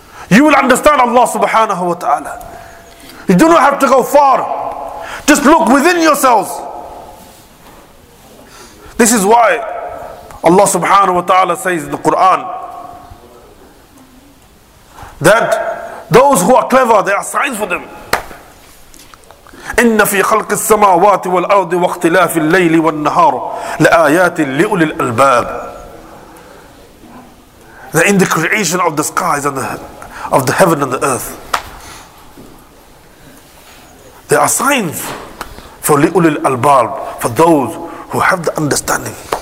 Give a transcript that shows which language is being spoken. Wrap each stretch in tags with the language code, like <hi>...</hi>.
<en>You will understand Allah subhanahu wa ta'ala. You do not have to go far. Just look within yourselves. This is why Allah subhanahu wa ta'ala says in the Quran that those who are clever, there are signs for them.</en> <ar>إن في خلق السماوات والأرض واختلاف الليل والنهار لآيات لأولي الألباب.</ar> <en>That in the creation of the skies and of the heaven and the earth, there are signs for</en> <ar>لأولي الألباب,</ar> <en>for those who have the understanding.</en>